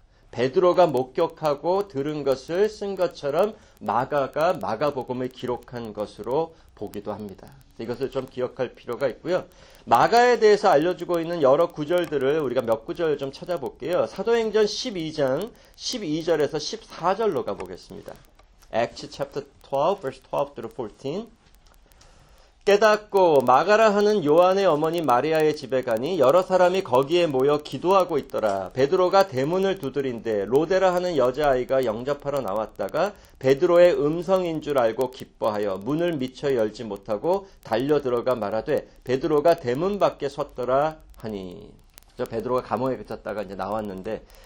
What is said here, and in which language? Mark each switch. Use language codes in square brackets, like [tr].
[ko] 베드로가 목격하고 들은 것을 쓴 것처럼 마가가 마가복음을 기록한 것으로 보기도 합니다. 이것을 좀 기억할 필요가 있고요. 마가에 대해서 알려주고 있는 여러 구절들을 우리가 몇 구절 좀 찾아볼게요. 사도행전 12장 12절에서 14절로 가보겠습니다. [en] Acts chapter 12, verse 12 through 14. [ko] 깨닫고 마가라 하는 요한의 어머니 마리아의 집에 가니 여러 사람이 거기에 모여 기도하고 있더라. 베드로가 대문을 두드린데 로데라 하는 여자아이가 영접하러 나왔다가 베드로의 음성인 줄 알고 기뻐하여 문을 미처 열지 못하고 달려들어가 말하되 베드로가 대문 밖에 섰더라 하니. 베드로가 감옥에 갇혔다가 이제 나왔는데